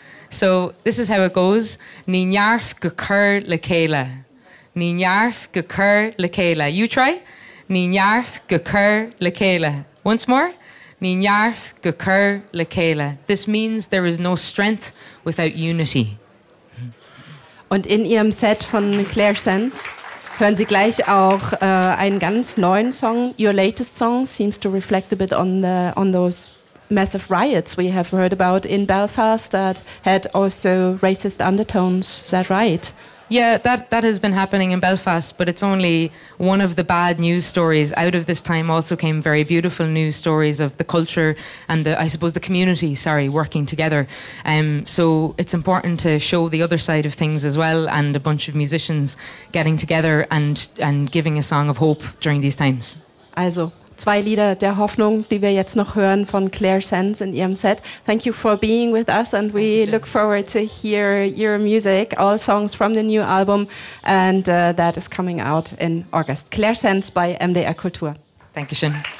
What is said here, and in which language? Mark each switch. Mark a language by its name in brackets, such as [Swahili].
[English] So this is how it goes. [Irish] Ní nearth go cur le céile. Ní nearth go cur le céile. [English] You try. [Irish] Ní nearth go cur le céile. [English] Once more. [Irish] Ní nearth go cur le céile. [English] This means there is no strength without unity. [German] Und in ihrem Set von Claire Sands hören Sie gleich auch einen ganz neuen Song. [English] Your latest song seems to reflect a bit on those massive riots we have heard about in Belfast that had also racist undertones. Is that right? Yeah, that has been happening in Belfast, but it's only one of the bad news stories. Out of this time also came very beautiful news stories of the culture and the community working together. So it's important to show the other side of things as well, and a bunch of musicians getting together and giving a song of hope during these times. [German] Also, zwei Lieder der Hoffnung, die wir jetzt noch hören von Claire Sands in ihrem Set. [English] Thank you for being with us, and we look forward to hear your music, all songs from the new album, and that is coming out in August. Claire Sands by MDR Kultur. Thank you, Shin.